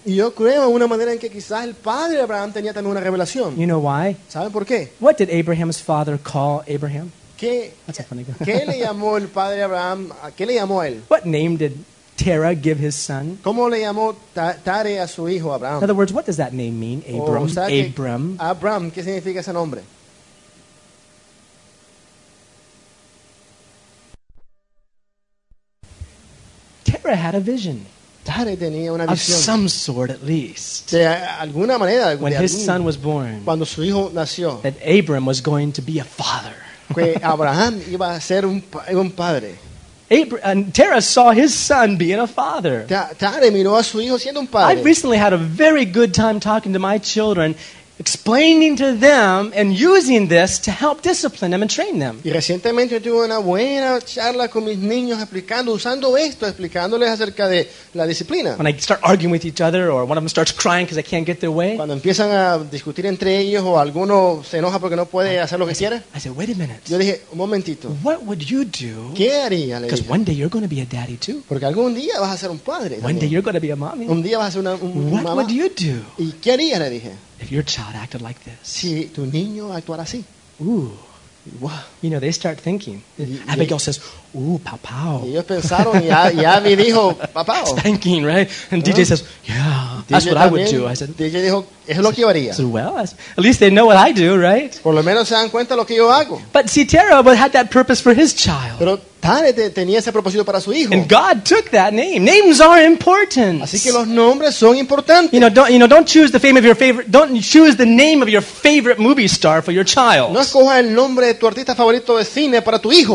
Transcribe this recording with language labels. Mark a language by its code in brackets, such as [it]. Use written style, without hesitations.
[es] Y yo creo en una manera en que quizás el padre de Abraham tenía también una revelación. [en] You know why? [es] ¿Saben por qué? [en] What did Abraham's father call Abraham? [es] ¿Qué? [en] That's a funny question. [es] ¿Qué le llamó el padre Abraham? ¿Qué le llamó él? [en] What name did Terah give his son? [es] ¿Cómo le llamó Tare a su hijo Abraham? [en] In other words, what does that name mean, Abram? [es] O sea, Abram. Abraham, ¿qué significa ese nombre? [en] Terah had a vision. [es] Tare tenía una visión. [en] Of some sort at least. [es] De alguna manera. [en] When his son was born. [es] Cuando su hijo nació. [en] That Abram was going to be a father. [es] Que Abraham iba a ser un padre. [en] Terah saw his son being a father. [es] Tare miró a su hijo siendo un padre. [en] I've recently had a very good time talking to my children, explaining to them and using this to help discipline them and train them. [es] Y recientemente tuve una buena charla con mis niños explicando, usando esto, explicándoles acerca de la disciplina. [en] When I start arguing with each other or one of them starts crying because I can't get their way. [es] Cuando empiezan a discutir entre ellos o alguno se enoja porque no puede hacer lo que quiere. [en] I said, wait a minute. [es] Yo dije, un momentito. [en] What would you do? [es] ¿Qué haría? [en] Because one day you're going to be a daddy too. [es] Porque algún día vas a ser un padre. [en] One day you're going to be a mommy. [es] Un día vas a ser una mamá. [en] What would you do? [es] ¿Y qué haría? Le dije. [en] If your child acted like this. [es] Si tu niño actuara así. Ooh. Wow. [en] You know, they start thinking. Abigail says, ooh, papao. [es] Y ellos pensaron, ya me dijo, papao. [en] Thinking, right? And DJ says, yeah, [es] DJ [en] that's what [es] también, [en] I would do. I said, [es] DJ dijo, eso es lo que yo haría. [en] So, well, at least they know what I do, right? [es] Por lo menos se dan cuenta lo que yo hago. [en] But see, Terah had that purpose for his child. [es] Pero Tare tenía ese propósito para su hijo. [en] And God took that name. Names are important. [es] Así que los nombres son importantes. [en] Don't choose the name of your favorite movie star for your child. [es] No escoja el nombre de tu artista favorito de cine para tu hijo.